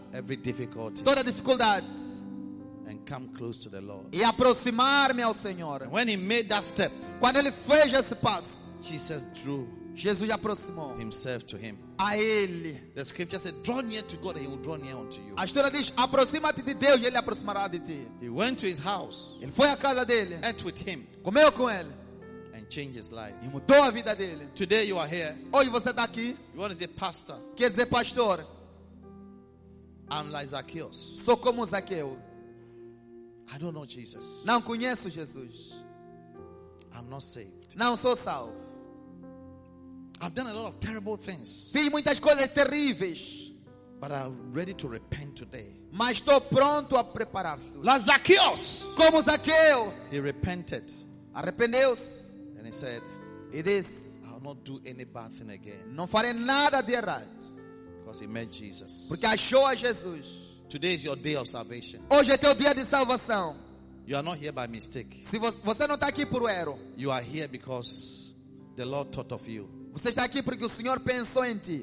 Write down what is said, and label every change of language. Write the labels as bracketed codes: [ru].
[en] Every difficulty. [pt] Toda dificuldade. [en] And come close to the Lord. [pt] E aproximar-me ao Senhor. [en] And when he made that step, [pt] quando ele fez esse passo, [en] Jesus drew. [pt] Jesus aproximou [en] himself to him. [pt] A ele. [en] The scripture said, draw near to God and he will draw near unto you. [pt] A história diz, aproxima-te de Deus e ele aproximará de ti. [en] He went to his house. [pt] Ele foi à casa dele. [en] Ate with him. [pt] Comeu com ele. [en] and change his life. [pt] E mudou a vida dele. [en] Today you are here. [pt] Hoje você está aqui. [en] You want to say pastor? [pt] Quer dizer pastor? [en] I'm like Zacchaeus. [pt] Sou como Zaqueu. [en] I don't know Jesus. [pt] Não conheço Jesus. [en] I'm not saved. [pt] Não sou salvo. [en] I've done a lot of terrible things. [pt] Fiz muitas coisas terríveis. [en] But I'm ready to repent today. [pt] Mas estou pronto a preparar-se. [en] Like Zacchaeus. [pt] Como Zaqueu. [en] He repented. [pt] Arrependeu-se. [en] And he said, "It is. I'll not do any bad thing again." [pt] Não farei nada de errado. [en] Because he met Jesus. [pt] Porque achou a Jesus. [en] Today is your day of salvation. [pt] Hoje é teu dia de salvação. [en] You are not here by mistake. [pt] Se você não está aqui por erro. [en] You are here because the Lord thought of you. [pt] Você está aqui porque o Senhor pensou em ti.